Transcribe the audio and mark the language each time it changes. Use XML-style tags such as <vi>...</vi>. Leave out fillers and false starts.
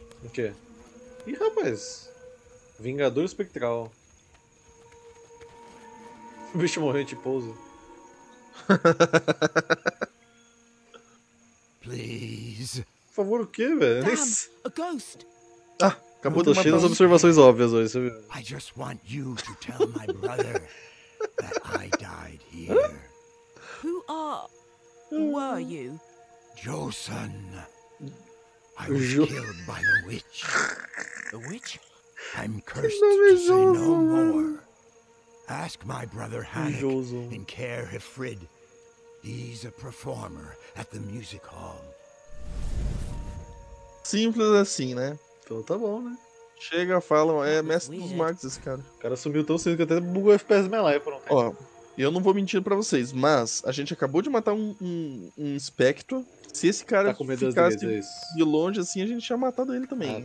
<pt>O quê? Ih, rapaz. Vingador espectral. O bicho morreu de pouso.</pt> <en>Please.</en> <pt>Por favor, o quê, velho?</pt> <en>Damn, a ghost.</en> <pt>Ah, acabou de tô cheio das observações óbvias hoje, você viu?</pt> <en>I just want you to tell my brother that I died here. Who are? Who are you? Jocen. I was killed by the witch. The witch? I'm cursed to see no more. Ask my brother Hannek and Care Hifrid. He's a performer at the music hall.</en> <pt>Simples assim, né? Então tá bom, né? Chega, fala, é mestre dos magos esse cara. O cara sumiu tão cedo que até bugou o FPS minha live por um tempo. Ó, eu não vou mentir pra vocês, mas a gente acabou de matar um espectro. Se esse cara tá com medo ficasse deles, de longe assim, a gente tinha matado ele também.</pt>